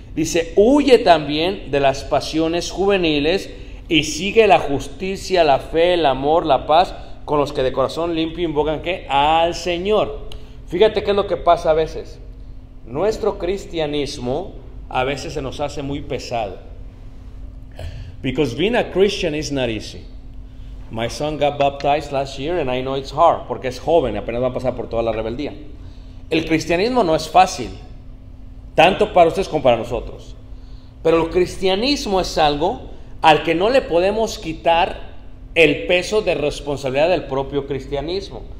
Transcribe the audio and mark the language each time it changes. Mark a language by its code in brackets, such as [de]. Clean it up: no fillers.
[es] Dice, huye también de las pasiones juveniles y sigue la justicia, la fe, el amor, la paz, con los que de corazón limpio invocan, ¿qué? Al Señor. Fíjate qué es lo que pasa a veces. Nuestro cristianismo a veces se nos hace muy pesado. [en] Because being a Christian is not easy. My son got baptized last year and I know it's hard. [es] Porque es joven, apenas va a pasar por toda la rebeldía. El cristianismo no es fácil, tanto para ustedes como para nosotros. Pero el cristianismo es algo al que no le podemos quitar el peso de responsabilidad del propio cristianismo.